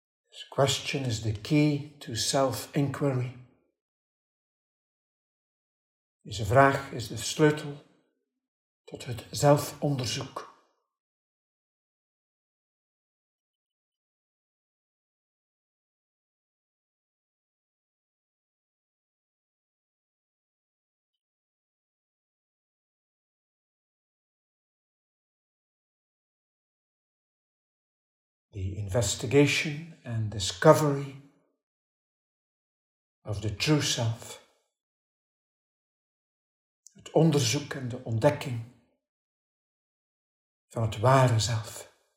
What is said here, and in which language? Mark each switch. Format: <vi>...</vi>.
<en>This question is the key to self-inquiry.</en> <nl>Deze vraag is de sleutel tot het zelfonderzoek.</nl> <en>The investigation and discovery of the true self.</en> <nl>Het onderzoek en de ontdekking van het ware zelf.</nl>